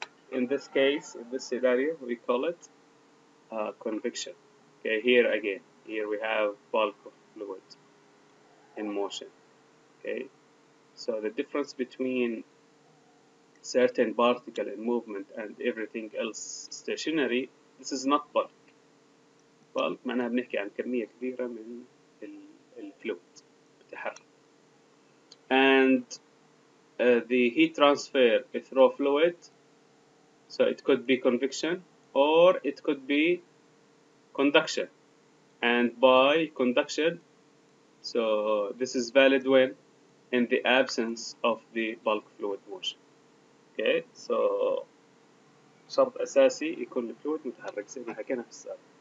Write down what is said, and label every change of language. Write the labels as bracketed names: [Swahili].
[English] In this case, in this scenario, we call it convection. Okay, here again, here we have bulk of fluid in motion. Okay, so the difference between certain particle in movement and everything else stationary, this is not bulk. [Arabic] Bulk معنى بنحكي عن كمية كبيرة من الفلويد بتحرك. [English] And the heat transfer through fluid, so it could be convection or it could be conduction. And by conduction, so this is valid when in the absence of the bulk fluid motion. [Arabic] Okay, so شرط أساسي يكون الفلويد متحرك زي ما حكينا في السابق.